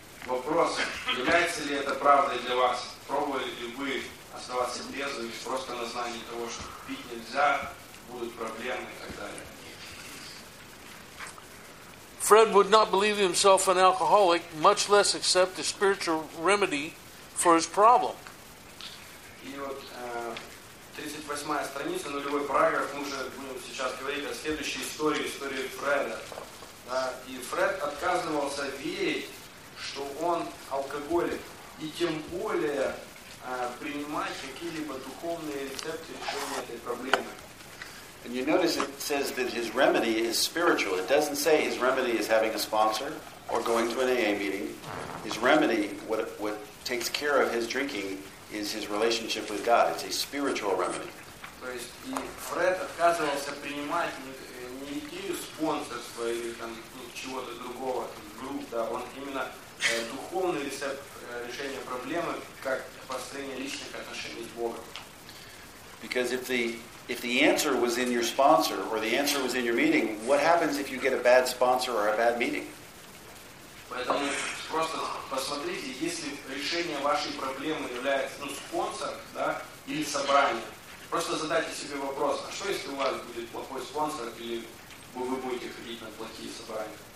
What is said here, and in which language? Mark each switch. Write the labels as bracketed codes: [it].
[ru] Вопрос, является ли это правдой для вас? Пробовали ли вы оставаться без и просто на знании того, что пить нельзя, будут проблемы и так далее? [en] Fred would not believe himself an alcoholic, much less accept a spiritual remedy for his problem. [ru] И вот 38-я страница, нулевой параграф, мы уже будем сейчас говорить о следующей истории, истории Фреда. Да? И Фред отказывался верить, что он алкоголик, и тем более принимать какие-либо духовные рецепты решения этой проблемы. [en] And you notice it says that his remedy is spiritual. It doesn't say his remedy is having a sponsor or going to an AA meeting. His remedy, what takes care of his drinking, is his relationship with God. It's a spiritual remedy. [ru] То есть и Фред отказывался принимать не идею спонсорства или там чего-то другого, групп, да, он именно духовный рецепт решения проблемы, как построение личных отношений с Богом. [en] Because if the answer was in your sponsor or the answer was in your meeting, what happens if you get a bad sponsor or a bad meeting? [ru] Поэтому просто посмотрите, если решение вашей проблемы является спонсор, да, или собрание, просто задайте себе вопрос, а что если у вас будет плохой спонсор, или вы будете ходить на плохие собрания?